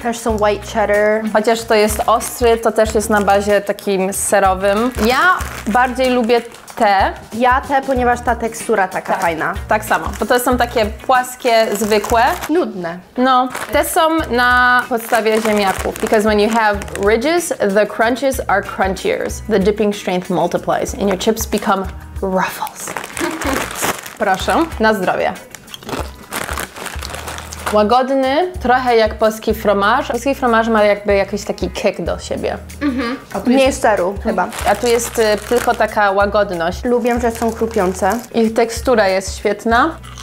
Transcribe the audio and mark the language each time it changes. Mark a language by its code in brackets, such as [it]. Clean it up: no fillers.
[pl] Też są white cheddar. Chociaż to jest ostry, to też jest na bazie takim serowym. Ja bardziej lubię te. Ja te, ponieważ ta tekstura taka fajna. Tak samo. Bo to są takie płaskie, zwykłe. Nudne. No. Te są na podstawie ziemniaków. [en] Because when you have ridges, the crunches are crunchier. The dipping strength multiplies and your chips become ruffles. [pl] Proszę. Na zdrowie. Łagodny, trochę jak polski fromaż. Polski fromaż ma jakby jakiś taki kick do siebie. Mhm. Nie jest seru chyba. A tu jest tylko taka łagodność. Lubię, że są chrupiące. Ich tekstura jest świetna.